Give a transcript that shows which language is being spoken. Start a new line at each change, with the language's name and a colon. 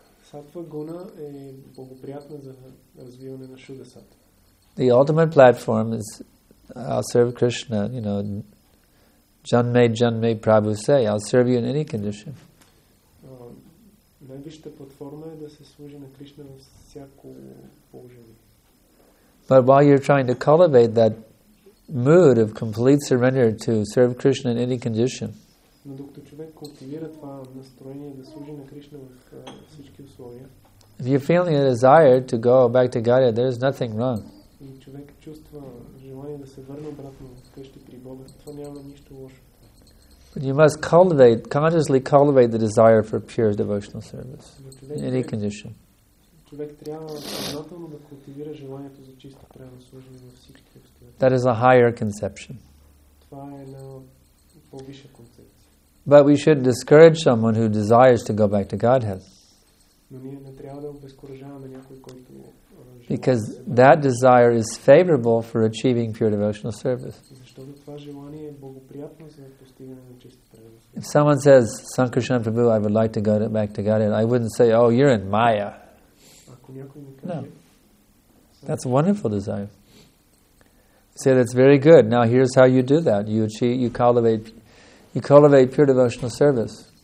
Bulgarian: Sattva guna е благоприятна за развиване на shuddha sattva.
English: The ultimate platform is I'll serve Krishna, you know,
Bangla: janme janme prabhu se,
English: I'll serve you in any condition.
Bulgarian: Най-висшата платформа е да се служи на Кришна във всяко положение.
English: But while you're trying to cultivate that mood of complete surrender to serve Krishna in any condition.
Bulgarian: Но докато човек култивира това настроение да служи на Кришна във всички условия.
English: If you're feeling a desire to go back to Godhead, there is nothing wrong.
Bulgarian: И човек чувства желание да се върне обратно вкъщи при Бога, това няма нищо лошо.
English: But you must consciously cultivate the desire for pure devotional service in any condition.
Bulgarian: Човек трябва съзнателно да култивира желанието за чисто преданно служение във всички обстоятелства.
English: That is a higher conception.
Bulgarian: Това е една по-висша концепция.
English: But we should discourage someone who desires to go back to Godhead.
Bulgarian: Но ние не трябва да обезкуражаваме някой, който
English: Because that desire is favorable for achieving pure devotional service.
Bulgarian: Защото това желание е благоприятно за постигане на чисто преданно служение.
English: If someone says, Sankarshan Prabhu, I would like to go back to Godhead, I wouldn't say, oh, you're in Maya. No. That's a wonderful desire. You say, that's very good. Now here's how you do that. You cultivate pure devotional service.